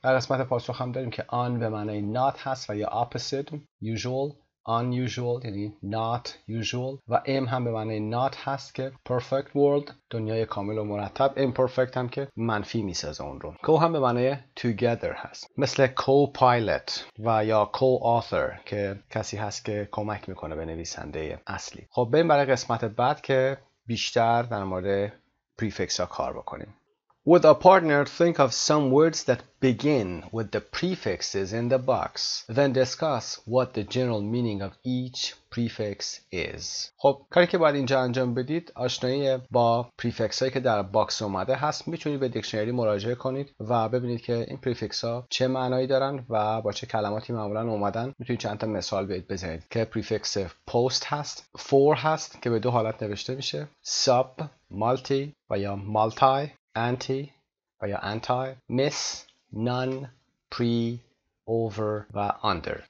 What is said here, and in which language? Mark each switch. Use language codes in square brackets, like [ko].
[fa] در قسمت پاسخ هم داریم که on به معنی not هست و یا opposite usual unusual یعنی not usual و M هم به معنی not هست که perfect world دنیای کامل و مرتب، imperfect هم که منفی میسازه اون رو. co هم به معنی together هست، مثل co-pilot و یا co-author که کسی هست که کمک میکنه به نویسنده اصلی. خب بریم برای قسمت بعد که بیشتر در مورد prefix ها کار بکنیم. [en] With a partner, think of some words that begin with the prefixes in the box. Then discuss what the general meaning of each prefix is. [fa] خب کاری که باید اینجا انجام بدید آشنایی با پریفکس هایی که در باکس اومده هست. میتونید به دیکشنری مراجعه کنید و ببینید که این پریفکس ها چه معنایی دارن و با چه کلماتی معمولا اومدن. میتونید چند تا مثال بزنید که پریفکس post هست، for هست که به دو حالت نوشته میشه، sub، multi و یا multi، anti و یا anti، miss، none، pre، over و under.